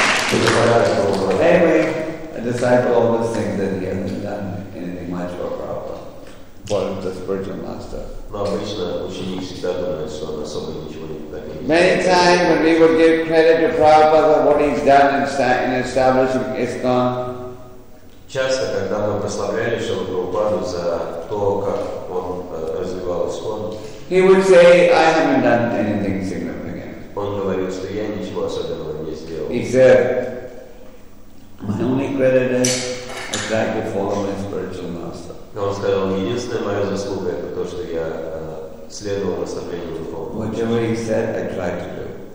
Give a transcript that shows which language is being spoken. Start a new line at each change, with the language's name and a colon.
English: Anyway, a disciple always thinks that he hasn't done anything much for Prabhupada, but the spiritual master. Many times when we would give credit to Prabhupada for what he's done in establishing ISKCON.
Russian: Часто, когда мы прославляли Шрилу Прабхупаду за то, как он развивал ИСККОН,
English: he would say, I haven't done anything significant.
Russian: Он говорил, что я ничего особенного не сделал.
English: He said, my only credit is I tried to follow my spiritual master.
Russian: Он сказал, единственная моя заслуга это то, что я следовал наставлению духовного.
English: Whatever he said, I tried to do.